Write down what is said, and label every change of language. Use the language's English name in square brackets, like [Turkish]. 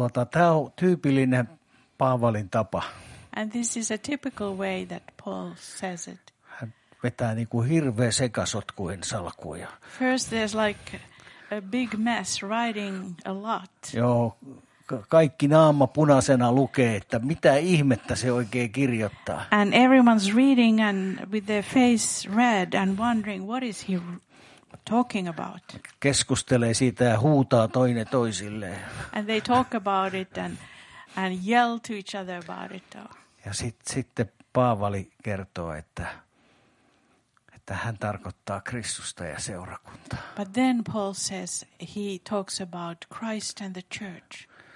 [Finnish] Tämä on tyypillinen Paavalin tapa. [English] And this is a typical way that Paul says it. [Finnish] Hän vetää niin kuin hirveä sekasotkuin salkuja. [English] First there's like a big mess writing a lot. [Finnish] Joo, kaikki naama punaisena lukee, että mitä ihmettä se oikein kirjoittaa. [English] And everyone's reading and with their face red and wondering what is he talking about. [Finnish] Keskustelee siitä ja huutaa toinen toisille. [English] And they talk about it and yell to each other about it. [Finnish] Ja sitten Paavali kertoo, että hän tarkoittaa Kristusta ja seurakuntaa. [English] But then Paul says he talks about Christ and the church.